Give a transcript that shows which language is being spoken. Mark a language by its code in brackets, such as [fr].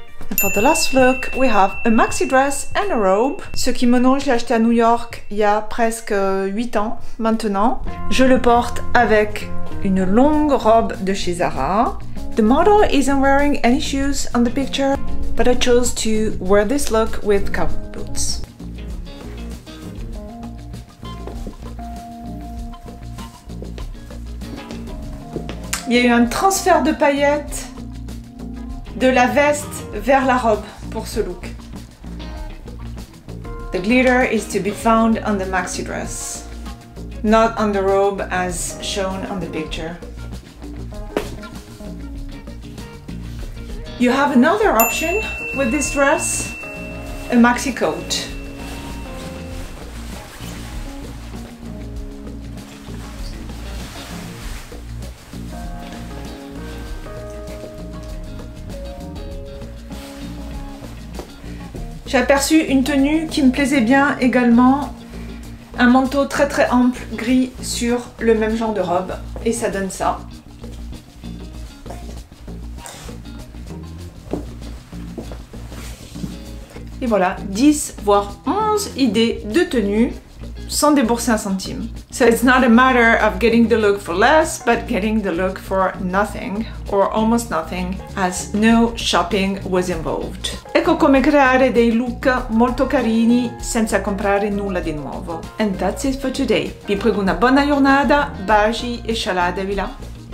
[en] And for the last look, we have a maxi dress and a robe. [fr] Ce kimono, je l'ai acheté à New York il y a presque 8 ans maintenant. Je le porte avec une longue robe de chez Zara. [en] The model isn't wearing any shoes on the picture. But I chose to wear this look with cowboy boots. [fr] Il y a eu un transfert de paillettes de la veste vers la robe pour ce look. [en] The glitter is to be found on the maxi dress, not on the robe as shown on the picture. You have another option with this dress, a maxi coat. [fr] J'ai aperçu une tenue qui me plaisait bien également, un manteau très très ample gris sur le même genre de robe et ça donne ça. Et voilà, 10 voire 11 idées de tenue sans débourser un centime. [en] So it's not a matter of getting the look for less, but getting the look for nothing or almost nothing as no shopping was involved. [it] Ecco come creare dei look molto carini senza comprare nulla di nuovo. [en] And that's it for today. [it] Vi prego una buona giornata, baci e shalada, vi lascio.